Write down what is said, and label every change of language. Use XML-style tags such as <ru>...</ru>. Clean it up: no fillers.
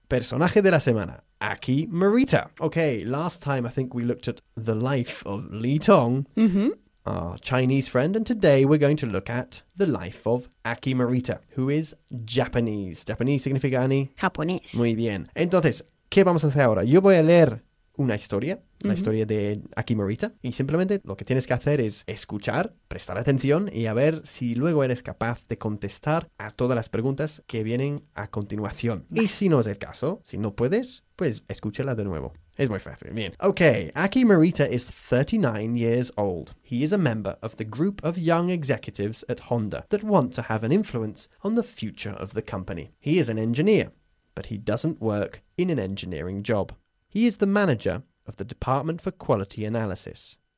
<es>Personaje de la semana, Aki Morita.</es> <en>Okay, last time I think we looked at the life of Li Tong, mm-hmm. our Chinese friend, and today we're going to look at the life of Aki Morita, who is Japanese.</en> <es>¿Japanese significa Ani? Japonés. Muy bien. Entonces, ¿qué vamos a hacer ahora? Yo voy a leer una historia, mm-hmm. la historia de Aki Morita, y simplemente lo que tienes que hacer es escuchar, prestar atención y a ver si luego eres capaz de contestar a todas las preguntas que vienen a continuación. Y si no es el caso, si no puedes, pues escúchala de nuevo. Es muy fácil. Bien.</es> <en>Okay, Aki Morita is 39 years old. He is a member of the group of young executives at Honda that want to have an influence on the future of the company. He is an engineer, but he doesn't work in an engineering job. He is the manager of the Department for Quality Analysis.</en>